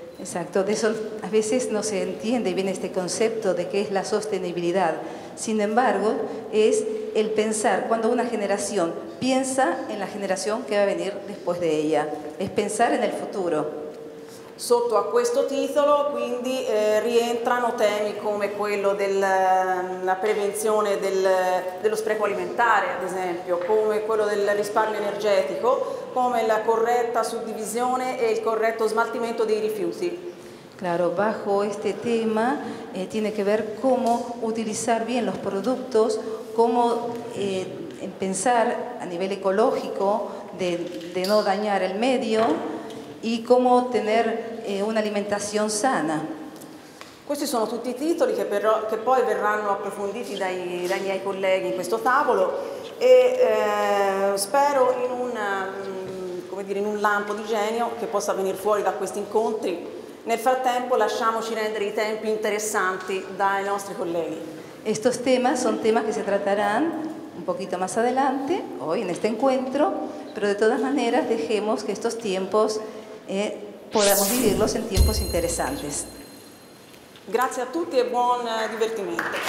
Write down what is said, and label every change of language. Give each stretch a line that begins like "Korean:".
Spanish: Exacto, de eso a veces no se entiende bien este concepto de qué es la sostenibilidad. Sin embargo, es el pensar cuando una generación piensa en la generación que va a venir después de ella, es pensar en el futuro.
Italian: Sotto a questo titolo quindi rientrano temi come quello della prevenzione dello spreco alimentare, ad esempio, come quello del risparmio energetico, come la corretta suddivisione e il corretto smaltimento dei rifiuti.
Spanish: Claro, bajo este tema tiene que ver cómo utilizar bien los productos, cómo pensar a nivel ecológico de no dañar el medio y cómo tener un'alimentación sana.
Italian: Questi sono tutti i titoli che poi verranno approfonditi dai miei colleghi in questo tavolo e spero in un lampo di genio che possa venire fuori da questi incontri. Nel frattempo lasciamoci rendere i tempi interessanti dai nostri colleghi.
Spanish: Estos temas son temas que se tratarán un poquito más adelante, hoy en este encuentro, pero de todas maneras dejemos que estos tiempos podamos vivirlos en tiempos interesantes. Gracias
Italian: a tutti e buon divertimento.